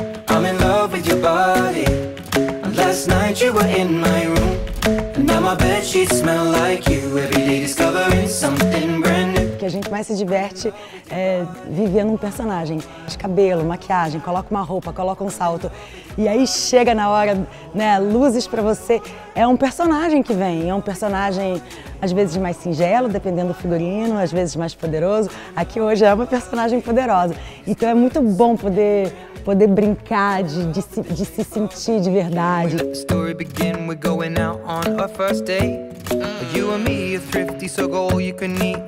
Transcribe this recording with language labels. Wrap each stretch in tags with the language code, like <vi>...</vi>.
<en>I'm in love with your body. Last night you were in my room. And now my bed sheets smell like you. Every day discovering something brand new.</en> <pt>A gente mais se diverte vivendo um personagem. De cabelo, maquiagem, coloca uma roupa, coloca um salto. E aí chega na hora, né, luzes pra você. É um personagem que vem. É um personagem, às vezes, mais singelo, dependendo do figurino, às vezes mais poderoso. Aqui hoje é uma personagem poderosa. Então é muito bom poder brincar de se sentir de verdade.</pt> <en>You and me are thrifty, so go all you can eat.</en>